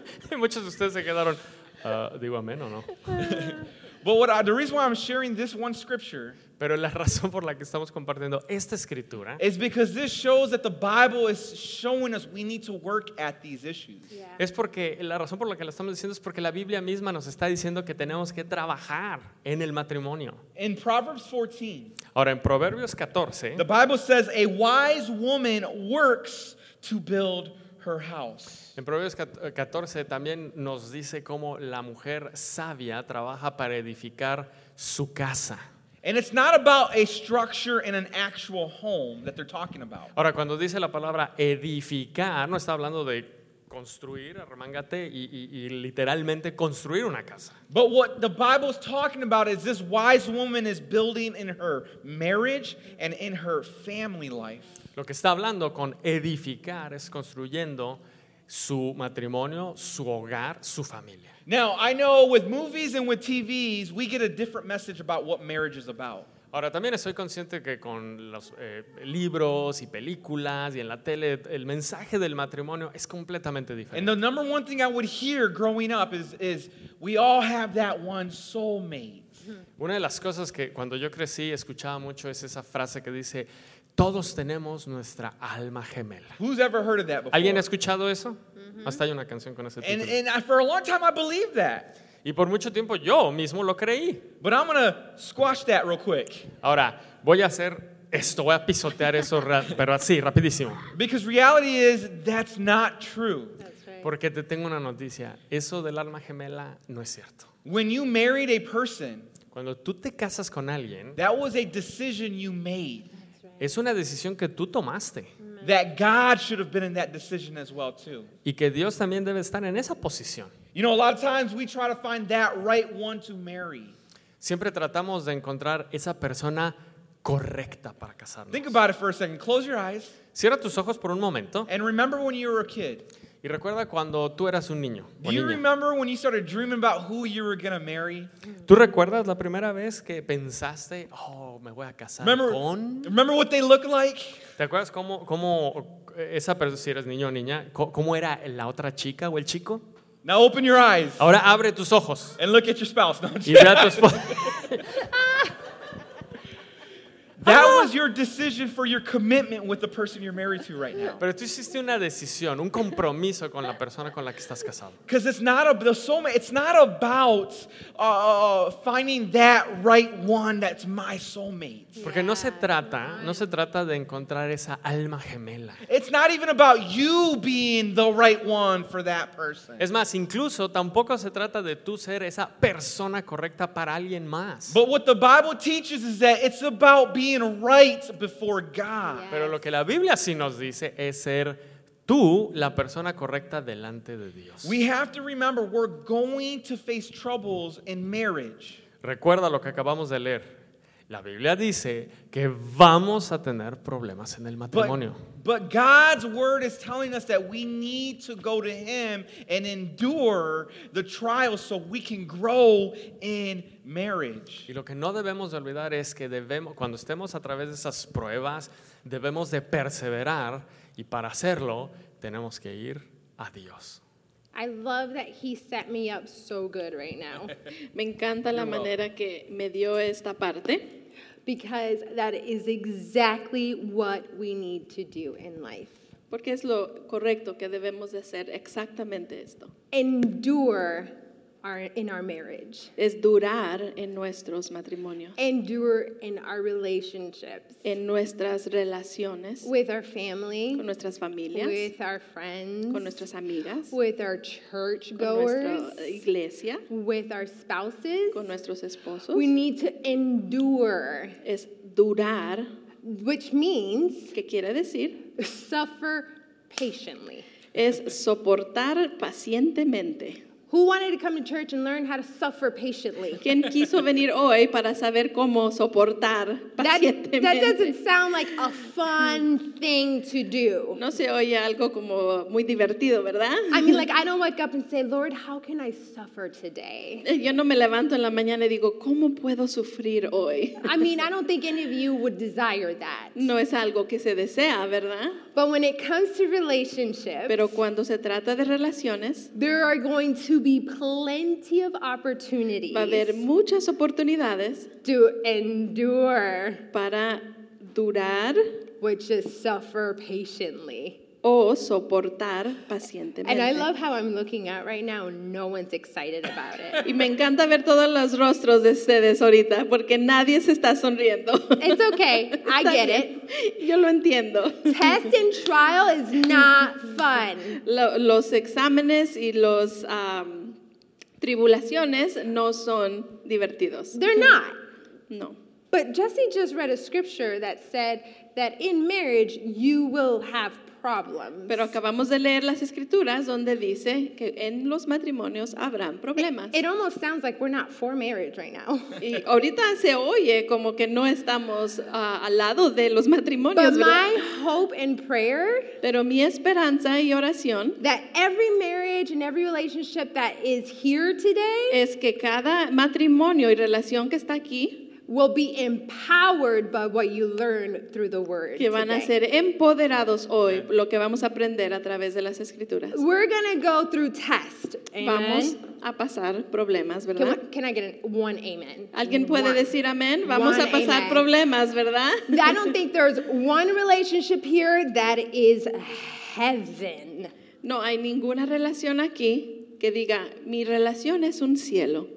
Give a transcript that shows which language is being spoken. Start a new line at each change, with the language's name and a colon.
Spanish: Y muchos de ustedes se quedaron, ¿digo amén o no?
English: But what the reason why I'm sharing this one scripture,
Spanish: pero la razón por la que estamos compartiendo esta escritura,
English: is because this shows that the Bible is showing us we need to work at these issues.
Spanish: Yeah. Es porque la razón por la que la estamos diciendo es porque la Biblia misma nos está diciendo que tenemos que trabajar en el matrimonio.
English: In Proverbs 14.
Spanish: Ahora en Proverbios 14.
English: The Bible says a wise woman works to build her house.
Spanish: En Proverbios 14 también nos dice cómo la mujer sabia trabaja para edificar su casa.
English: And it's not about a structure in an actual home that they're talking about.
Spanish: Ahora, cuando dice la palabra edificar, no está hablando de construir, arremángate y literalmente construir una casa.
English: But what the Bible's talking about is this wise woman is building in her marriage and in her family life.
Spanish: Lo que está hablando con edificar es construyendo su matrimonio, su hogar, su familia.
English: Now, I know with movies and with TVs, we get a different message about what marriage is about.
Spanish: Ahora, también estoy consciente que con los libros y películas y en la tele, el mensaje del matrimonio es completamente diferente.
English: And the number one thing I would hear growing up is we all have that one soulmate.
Spanish: Una de las cosas que cuando yo crecí escuchaba mucho es esa frase que dice, todos tenemos nuestra alma gemela.
English: Who's ever heard of that before?
Spanish: ¿Alguien ha escuchado eso? Mm-hmm. Hasta hay una canción con ese título.
English: And for a long time I believed that.
Spanish: Y por mucho tiempo yo mismo lo creí.
English: But I'm gonna squash that real quick.
Spanish: Ahora, voy a hacer esto, voy a pisotear eso, pero así, rapidísimo.
English: Because reality is, that's not true. That's right.
Spanish: Porque te tengo una noticia. Eso del alma gemela no es cierto.
English: When you married a person,
Spanish: cuando tú te casas con alguien,
English: that was a decision you made.
Spanish: Es una decisión que tú tomaste.
English: That God should have been in that decision as well too.
Spanish: Y que Dios también debe estar en esa posición.
English: You know, a lot of times we try to find that right one to marry.
Spanish: Siempre tratamos de encontrar esa persona correcta para casarnos.
English: Think about it for a second. Close your eyes.
Spanish: Cierra tus ojos por un momento.
English: And remember when you were a kid.
Spanish: Y recuerda cuando tú eras un niño.
English: Do you remember when you started dreaming about who you were going to marry?
Spanish: ¿Tú recuerdas la primera vez que pensaste, oh, me voy a casar con?
English: Remember what they look like?
Spanish: ¿Te acuerdas cómo esa persona, si eres niño o niña, cómo era la otra chica o el chico?
English: Now open your eyes.
Spanish: Ahora abre tus ojos.
English: And look at your spouse. No,
Spanish: y ve a tu esposo.
English: That was your decision for your commitment with the person you're married to right now.
Spanish: Pero tú hiciste una decisión, un compromiso con la persona con la que estás casado.
English: Because it's not about the soulmate. It's not about finding that right one that's my soulmate.
Spanish: Porque no se trata, no se trata de encontrar esa alma gemela.
English: It's not even about you being the right one for that person.
Spanish: Es más, incluso tampoco se trata de tú ser esa persona correcta para alguien más.
English: But what the Bible teaches is that it's about being being right before God. Yes.
Spanish: Pero lo que la Biblia sí nos dice es ser tú la persona correcta delante de Dios.
English: We have to remember we're going to face troubles in marriage.
Spanish: Recuerda lo que acabamos de leer. La Biblia dice que vamos a tener problemas en el matrimonio.
English: But God's word is telling us that we need to go to Him and endure the trials so we can grow in marriage.
Spanish: Y lo que no debemos de olvidar es que debemos, cuando estemos a través de esas pruebas, debemos de perseverar y para hacerlo tenemos que ir a Dios.
English: I love that He set me up so good right now.
Spanish: Me encanta la manera que me dio esta parte.
English: Because that is exactly what we need to do in life.
Spanish: Porque es lo correcto que debemos de hacer exactamente esto.
English: Endure in our marriage.
Spanish: Es durar en nuestros matrimonios.
English: Endure in our relationships.
Spanish: En nuestras relaciones.
English: With our family.
Spanish: Con nuestras familias.
English: With our friends.
Spanish: Con nuestras amigas.
English: With our church goers.
Spanish: Con nuestra iglesia.
English: With our spouses.
Spanish: Con nuestros esposos.
English: We need to endure.
Spanish: Es durar.
English: Which means.
Spanish: ¿Qué quiere decir?
English: Suffer patiently.
Spanish: Es soportar pacientemente.
English: Who wanted to come to church and learn how to suffer patiently?
Spanish: ¿Quién quiso venir hoy para saber cómo soportar pacientemente?
English: That doesn't sound like a fun thing to do.
Spanish: No se oye algo como muy divertido, ¿verdad?
English: I mean, like, I don't wake up and say, Lord, how can I suffer today?
Spanish: Yo no me levanto en la mañana y digo, ¿cómo puedo sufrir hoy?
English: I mean, I don't think any of you would desire that.
Spanish: No es algo que se desea, ¿verdad?
English: But when it comes to relationships,
Spanish: pero cuando se trata de relaciones,
English: there are going to be plenty of opportunities.
Spanish: Va a haber muchas oportunidades
English: to endure,
Spanish: para durar,
English: which is suffer patiently.
Spanish: O soportar pacientemente.
English: And I love how I'm looking at right now. No one's excited about it.
Spanish: Y me encanta ver todos los rostros de ustedes ahorita porque nadie se está sonriendo.
English: It's okay. I get it.
Spanish: Yo lo entiendo.
English: Test and trial is not fun.
Spanish: Los exámenes y los tribulaciones no son divertidos.
English: They're not.
Spanish: No.
English: But Jesse just read a scripture that said that in marriage you will have problems.
Spanish: Pero acabamos de leer las escrituras donde dice que en los matrimonios habrán problemas.
English: It almost sounds like we're not for marriage right now.
Spanish: Y ahorita se oye como que no estamos al lado de los matrimonios.
English: But my hope and prayer,
Spanish: pero mi esperanza y oración,
English: that every marriage and every relationship that is here today,
Spanish: es que cada matrimonio y relación que está aquí
English: will be empowered by what you learn through the word.
Spanish: Que van
English: today.
Spanish: A ser empoderados hoy, lo que vamos a aprender a través de las escrituras.
English: We're going to go through tests.
Spanish: Vamos a pasar problemas, ¿verdad?
English: Can I get one amen?
Spanish: ¿Alguien puede decir amén? Vamos a pasar problemas, ¿verdad?
English: I don't think there's one relationship here that is heaven.
Spanish: No hay ninguna relación aquí que diga mi relación es un cielo.